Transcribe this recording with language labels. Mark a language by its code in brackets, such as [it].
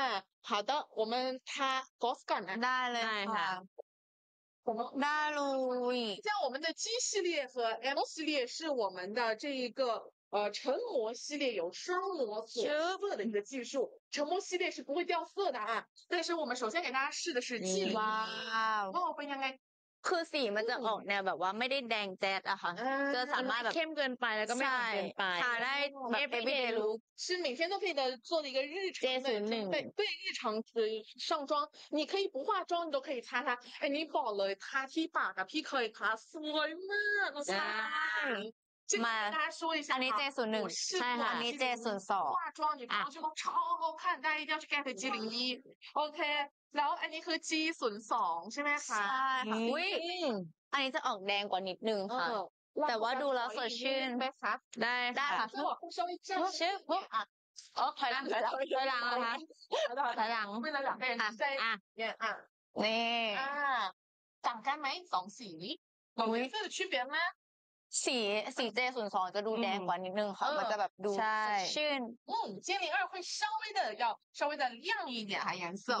[th] าค่ะ [zh] 的我们他 [th] Goss ก่อนนะ ได้เลยค่ะ ได้เลย [zh] 像我们的 G 系列和 M 系列是我们的这一个唇膜系列有双膜锁色的一个技术唇膜系列是不会掉色的啊但是我们首先给大家试的是 G 哇哇我不应该 [th] คือสีมันจะออกแนวแบบว่าไม่ได้แดงแจ๊ดอะค่ะจะสามารถแบบ เข้มเกินไปแล้วก็ไม่เกินไป ทาได้แบบ [en] everyday look [th] ซึ่ง [zh] 每天都可以的做的一个日常的对日常的上妆你可以不化妆你都可以擦它哎你 [th] บอกเลยทาที่ปากกับที่เคยทาสวยมาก ใช่ มาอัน นี้เจศูนย์หนึ่งใช่ค่ะอันนี้เจศูนย์สอง [zh] 化妆你上去都超好看大家一定要去 get G01 OK [th] แล้วอันนี้คือ G02 ใช่ไหมคะ ใช่ค่ะอุ้ยอันนี้จะออกแดงกว่านิดนึงค่ะแต่ว่าดูแล้วสดชื่น ไหมคะ ได้ได้ค่ะ เ พรา ะว่าผู้ชายจะ ชื่อพวกอ่ะโอ้ถอยหลังถอยหลังถอยหลังนะคะถอยหลัง ไม่ละหลังเป็น อ่ะ เนี่ยอ่ะ นี่ อ่าต่างกันไหมสองสีมีสีที่แตกต่างไหม สี J02จะดูแดงกว่านิดนึงค่ะมันจะแบบดูสดชื่น [zh] อืม J02 会稍微的要稍微的亮一点哈颜色